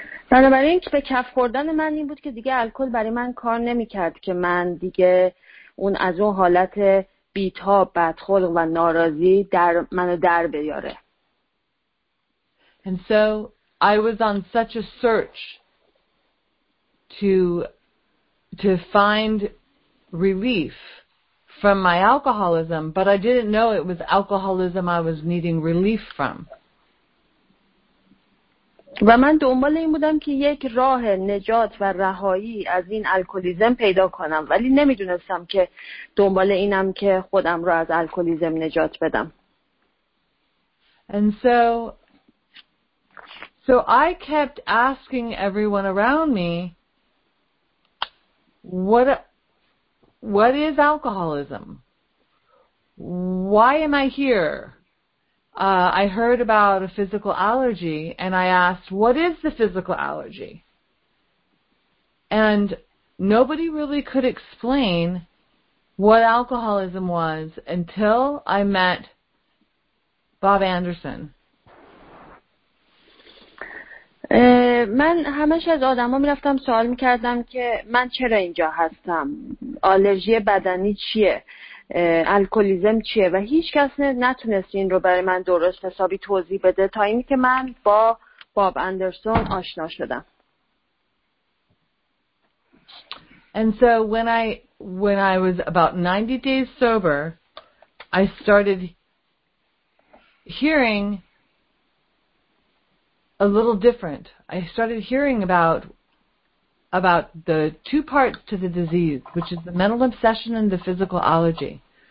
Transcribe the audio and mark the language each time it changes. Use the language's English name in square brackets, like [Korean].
[Persian] بنابراین به کف خوردن من این بود که دیگه الکل برای من کار نمی کرد که من دیگه اون از اون حالت بیتاب، بدخلق و ناراضی در منو در بیاره. [English] And so I was on such a search to find relief from my alcoholism, but I didn't know it was alcoholism I was needing relief from. [Persian] و من دنبال این بودم که یک راه نجات و رهایی از این الکلیزم پیدا کنم، ولی نمیدونستم که دنبال اینم که خودم را از الکلیزم نجات بدم. [English] And so I kept asking everyone around me, what is alcoholism? Why am I here? I heard about a physical allergy, and I asked, what is the physical allergy? And nobody really could explain what alcoholism was until I met Bob Anderson. [Persian] من همش از آدما میرفتم سوال میکردم که من چرا اینجا هستم، آلرژی بدنی چیه، الکلیزم چیه، و هیچ کس نتونست این رو برای من درست حسابی توضیح بده تا اینی که من با باب اندرسون آشنا شدم. [English] And so when I was about 90 days sober, I started hearing a little different. I started hearing about the two parts to the disease, which is the mental obsession and the physical allergy.